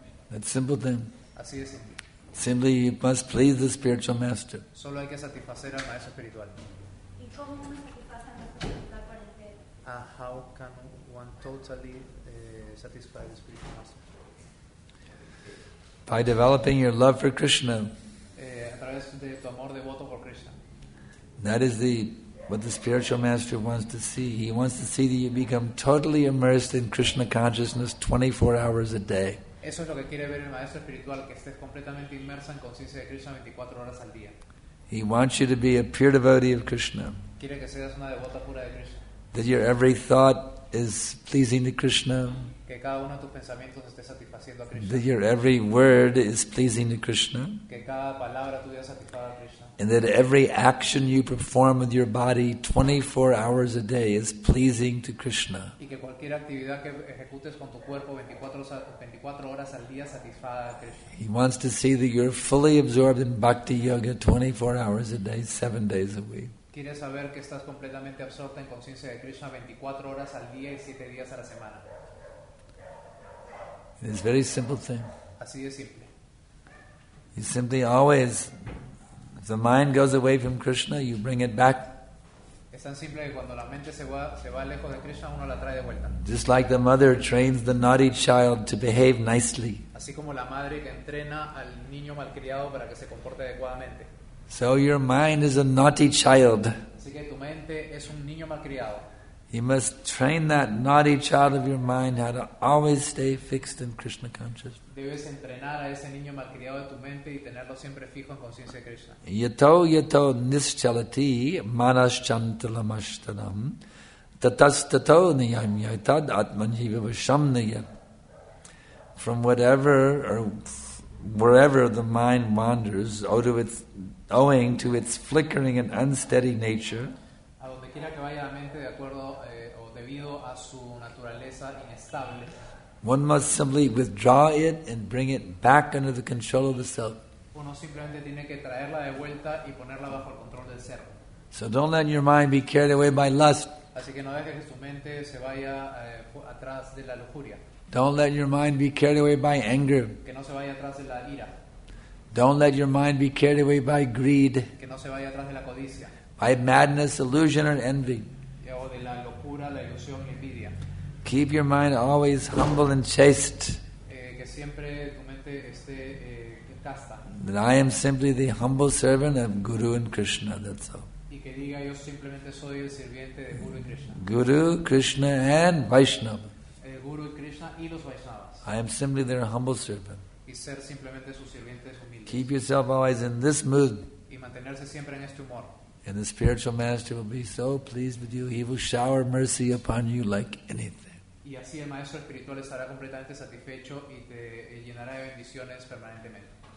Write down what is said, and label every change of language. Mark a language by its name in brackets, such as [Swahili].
[English] That's a simple thing. [Spanish] Así de simple. [English] Simply, you must please the spiritual master. [Spanish] Solo hay que satisfacer al maestro espiritual. ¿Y cómo uno satisface al maestro espiritual por el fe? [English] How can one totally satisfy the spiritual master? By developing your love for Krishna. [Spanish] A través de tu amor devoto por Krishna. [English] That is what the spiritual master wants to see. He wants to see that you become totally immersed in Krishna consciousness 24 hours a day. [Spanish] Eso es lo que quiere ver el maestro espiritual, que estés completamente inmersa en conciencia de Krishna 24 horas al día. [English] He wants you to be a pure devotee of Krishna. [Spanish] Quiere que seas una devota pura de Krishna. [English] That your every thought is pleasing to Krishna. [Spanish] Que cada uno de tus pensamientos esté satisfaciendo a Krishna. [English] That your every word is pleasing to Krishna. [Spanish] Que cada palabra tuya satisfaga a Krishna. [English] And that every action you perform with your body 24 hours a day is pleasing to Krishna. [Spanish] Y que cualquier actividad que ejecutes con tu cuerpo 24 horas al día satisfaga a Krishna. [English] He wants to see that you're fully absorbed in bhakti yoga 24 hours a day, 7 days a week. [Spanish] Quiere saber que estás completamente absorta en conciencia de Krishna 24 horas al día y 7 días a la semana. [English] It's a very simple thing. [Spanish] Así de simple. [English] You simply always, if the mind goes away from Krishna, you bring it back. [Spanish] Es tan simple que cuando la mente se va lejos de Krishna, uno la trae de vuelta. [English] Just like the mother trains the naughty child to behave nicely. [Spanish] Así como la madre que entrena al niño malcriado para que se comporte adecuadamente. [English] So your mind is a naughty child. [Spanish] Así que tu mente es un niño malcriado. [English] You must train that naughty child of your mind how to always stay fixed in Krishna consciousness. [Spanish] Debes entrenar a ese niño malcriado de tu mente y tenerlo siempre fijo en conciencia de Krishna. [Sanskrit] Yato yato nischalati manas chantalam ashtanam tatastato niyamyatad atmanjivavasham niyam. [English] From whatever or wherever the mind wanders, owing to its flickering and unsteady nature, [Spanish] a donde quiera que vaya la mente, de acuerdo o debido a su naturaleza inestable, [English] one must simply withdraw it and bring it back under the control of the self. [Spanish] Uno simplemente tiene que traerla de vuelta y ponerla bajo el control del ser. [English] So don't let your mind be carried away by lust. [Spanish] Así que no dejes que tu mente se vaya atrás de la lujuria. [English] Don't let your mind be carried away by anger. [Spanish] Que no se vaya atrás de la ira. [English] Don't let your mind be carried away by greed. [Spanish] Que no se vaya atrás de la codicia. [English] By madness, illusion, or envy. [Spanish] O de la locura, la ilusión, envidia. [English] Keep your mind always humble and chaste. [Spanish] Que siempre tu mente esté casta. [English] That I am simply the humble servant of Guru and Krishna, that's all. [Spanish] Y que diga, yo simplemente soy el sirviente de Guru y Krishna. [English] Guru, Krishna, and Vaishnava. [Spanish] Guru y Krishna y los Vaishnavas. [English] I am simply their humble servant. [Spanish] Y ser simplemente sus sirvientes humildes. [English] Keep yourself always in this mood. [Spanish] Y mantenerse siempre en este humor. [English] And the spiritual master will be so pleased with you, he will shower mercy upon you like anything. [Spanish] Y así el maestro espiritual estará completamente satisfecho y te llenará de bendiciones permanentemente.